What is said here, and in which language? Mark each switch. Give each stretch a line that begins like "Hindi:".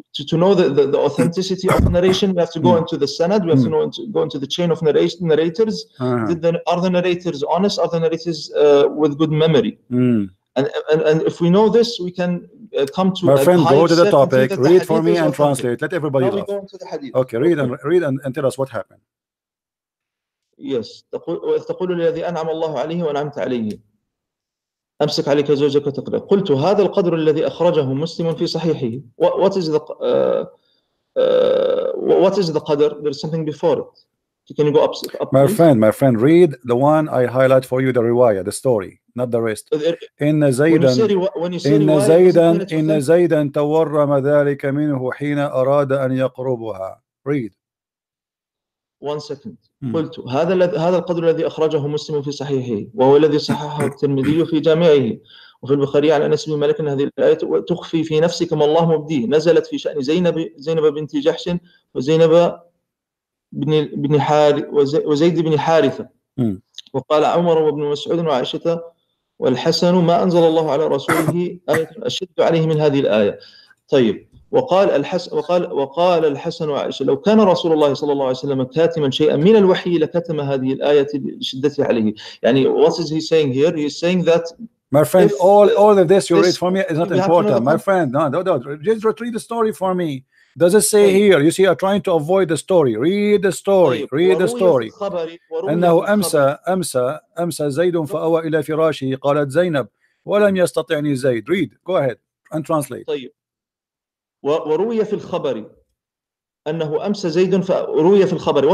English: To know the authenticity of narration, we have to go into the Sanad, we have to go into the chain of narrators. Uh-huh. Are the narrators honest? Are the narrators with good memory? Mm. And if we know this, we can come to my friend, go to the topic, read for me and translate. Let everybody know. Okay, read and tell us what happened.
Arabic: Yes, تقول الذي أنعم الله عليه وأنعمت عليه. أمسك عليك زوجك تقرأ. قلت هذا القدر الذي أخرجه مسلم في صحيحه.
English: What is the قدر? There's something before it. Can you go up? My friend, read the one I highlight for you, the riwaya, the story, not the rest.
Arabic: إن زيدًا
English: when you say riwaya,
Arabic: إن زيدًا تورم ذلك منه حين أراد أن يقربها.
English: Read. 1 second.
Arabic: قلت هذا القدر الذي أخرجه مسلم في صحيحه وهو الذي صححه الترمذي في جامعه وفي البخاري عن أنس بن مالك هذه الآية تخفي في نفسك ما الله مبديه نزلت في شأن زينب بنت جحش وزينب بن وزيد بن حارثة وقال عمر وابن مسعود وعائشة والحسن ما أنزل الله على رسوله آية أشد عليه من هذه الآية. طيب وقال الحسن وقال وقال الحسن وعائشة لو كان رسول الله صلى الله عليه وسلم كاتما شيئا من الوحي لكتم هذه الآية لشدته عليه.
English: يعني what is he saying here? He is saying that my friend, all of this you read for me is not important. My friend, no, just read the story for me. Does it say here? You see, I'm trying to avoid the story. Read the story. Read the story.
Arabic: أنه أمسى زيد فأوى إلى فراشه قالت زينب ولم يستطعني زيد.
English: Read. Go ahead and translate.
Arabic: وروي في الخبر أنه أمسى زيد فروي في الخبر.